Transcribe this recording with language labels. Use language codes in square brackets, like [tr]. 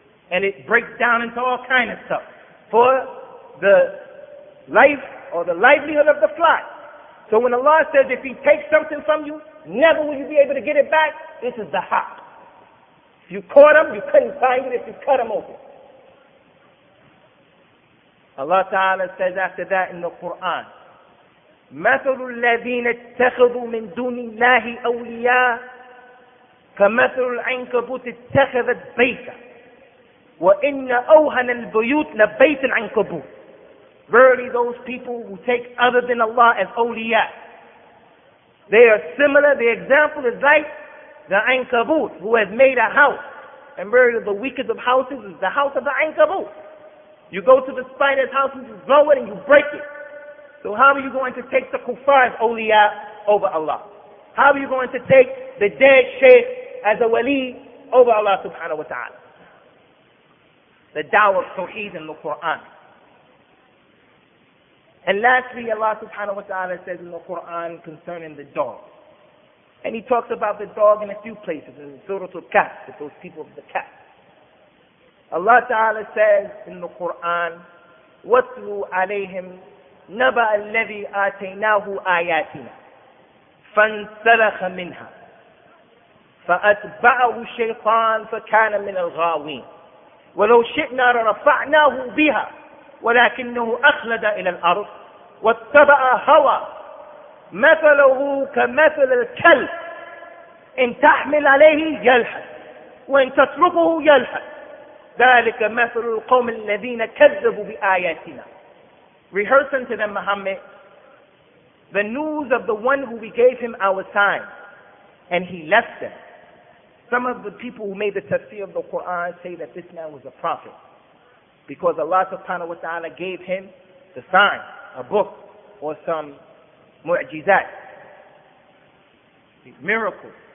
[en] And it breaks down into all kinds of stuff for the life or the livelihood of the fly. So when Allah says if he takes something from you, never will you be able to get it back, this is the haq. If you caught him, you couldn't find it if you cut him open. Allah Ta'ala says after that in the Quran, [ar] مثل الذين اتخذوا من دون الله أولياء كمثل العنكبوت اتخذت بيتا وإن أوهن البيوت لبيت العنكبوت. [en] Verily those people who take other than Allah as awliya, they are similar, the example is like the ankabut who has made a house. And verily the weakest of houses is the house of the ankabut. You go to the spider's house and you blow it and you break it. So how are you going to take the kuffar as awliya over Allah? How are you going to take the dead shaykh as a wali over Allah subhanahu wa ta'ala? The da'wah of tawheed in the Quran. And lastly, Allah subhanahu wa ta'ala says in the Quran concerning the dog. And he talks about the dog in a few places, in Surah Al-Kahf, with those people of the Kahf. Allah ta'ala says in the Quran, [ar] وَاتْلُوا عَلَيْهِمْ نَبَأَ الَّذِي آتَيْنَاهُ آيَاتِنَا فَانْسَلَخَ مِنْهَا فَأَتْبَعَهُ الشَّيْطَانُ فَكَانَ مِنَ الْغَاوِينَ وَلَوْ شِئْنَا لَرَفَعْنَاهُ بِهَا وَلَكِنَّهُ أَخْلَدَ إِلَى الْأَرْضِ وَاتَّبَعَ هَوَى مَثَلُهُ كَمَثَلِ الْكَلْبِ إن تحمل عليه يلحث وإن تتركه يلحث ذلك مثل القوم الذين كذبوا بآياتنا. [en] Rehearsing to them, Muhammad, the news of the one who we gave him our sign, and he left them. Some of the people who made the tafsir of the Quran say that this man was a prophet, because Allah subhanahu wa ta'ala gave him the sign, a book, or some mu'jizat, miracles.